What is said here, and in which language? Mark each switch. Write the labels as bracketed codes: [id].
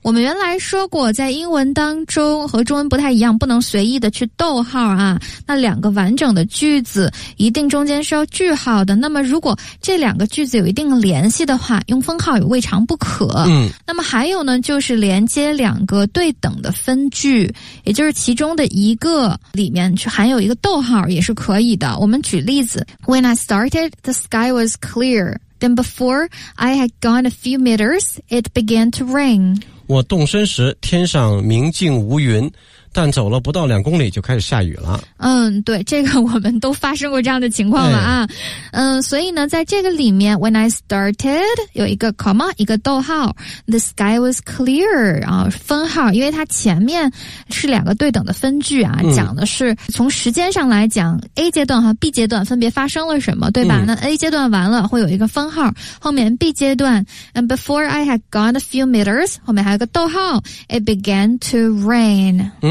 [zh] 我们原来说过在英文当中和中文不太一样，不能随意的去逗号啊，那两个完整的句子一定中间是要句号的，那么如果这两个句子有一定联系的话用分号也未尝不可。那么还有呢就是连接两个对等的分句，也就是其中的一个里面去含有一个逗号也是可以的。我们举例子， [en] When I started the sky was clearThen before I had gone a few meters, it began to rain. [zh] 我动身时天上明净无云，但走了不到两公里就开始下雨了。嗯，对，这个我们都发生过这样的情况了啊。所以呢在这个里面 [en] When I started [zh] 有一个 comma 一个逗号， [en] The sky was clear [zh] 啊，分号，因为它前面是两个对等的分句啊、讲的是从时间上来讲 A 阶段和 B 阶段分别发生了什么，对吧、那 A 阶段完了会有一个分号，后面 B 阶段 [en] And before I had gone a few meters [zh] 后面还有个逗号， [en] It began to rain。